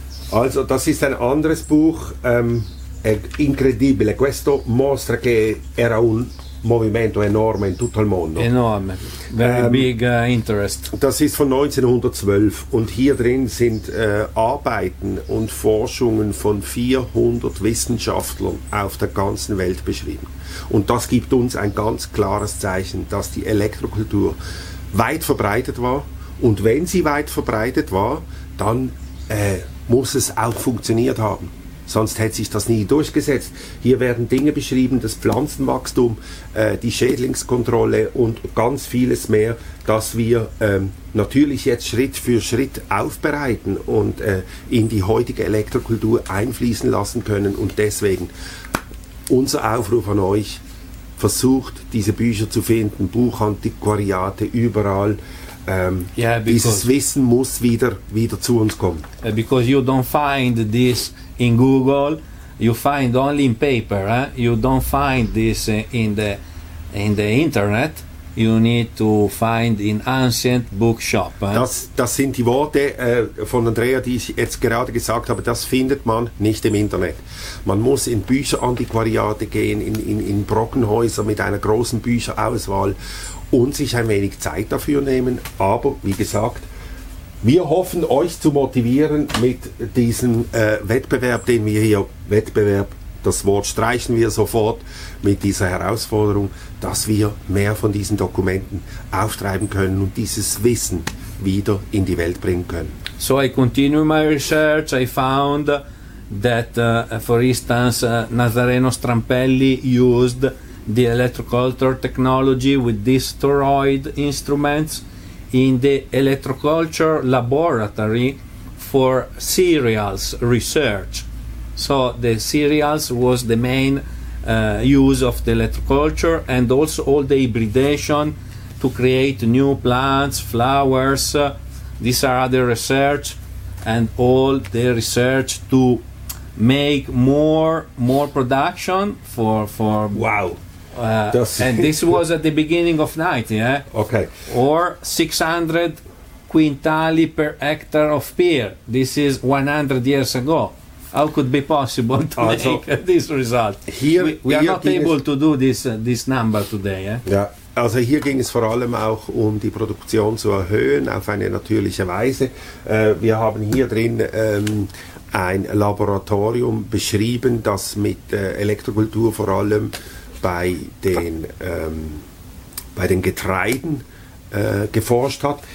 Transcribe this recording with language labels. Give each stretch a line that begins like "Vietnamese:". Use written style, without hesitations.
German: Also, das ist ein anderes Buch,
Italian: è incredibile, questo mostra che era un movimento enorme in tutto il mondo. Enorme,
English: very big interest.
German: Das ist von 1912 und hier drin sind Arbeiten und Forschungen von 400 Wissenschaftlern auf der ganzen Welt beschrieben. Und das gibt uns ein ganz klares Zeichen, dass die Elektrokultur weit verbreitet war. Und wenn sie weit verbreitet war, dann muss es auch funktioniert haben. Sonst hätte sich das nie durchgesetzt. Hier werden Dinge beschrieben, das Pflanzenwachstum, die Schädlingskontrolle und ganz vieles mehr, das wir natürlich jetzt Schritt für Schritt aufbereiten und in die heutige Elektrokultur einfließen lassen können. Und deswegen unser Aufruf an euch, versucht diese Bücher zu finden, Buchantiquariate überall. Dieses Wissen muss wieder zu uns kommen.
English: Because you don't find this in Google, you find only in paper. Eh? You don't find this in the internet. You need to find in ancient bookshop. Eh?
German: Das sind die Worte von Andrea, die ich jetzt gerade gesagt habe. Das findet man nicht im Internet. Man muss in Bücherantiquariate gehen, in Brockenhäuser mit einer großen Bücherauswahl. Und sich ein wenig Zeit dafür nehmen. Aber wie gesagt, wir hoffen, euch zu motivieren mit diesem Wettbewerb, den wir hier, Wettbewerb, das Wort streichen wir sofort, mit dieser Herausforderung, dass wir mehr von diesen Dokumenten auftreiben können und dieses Wissen wieder in die Welt bringen können.
English: So I continue my research. I found that, for instance, Nazareno Strampelli used the electroculture technology with these toroid instruments in the electroculture laboratory for cereals research. So the cereals was the main use of the electroculture, and also all the hybridation to create new plants, flowers. These are other research, and all the research to make more production for wow. And this was at the beginning of 90, eh? Okay. Or 600 quintali per hectare of pear. This is 100 years ago. How could be possible to also make this result?
German: Hier,
English: we are not able to do this number today. Eh?
German: Ja, also hier ging es vor allem auch um die Produktion zu erhöhen auf eine natürliche Weise. Wir haben hier drin ein Laboratorium beschrieben, das mit Elektrokultur vor allem bei den Getreiden geforscht hat.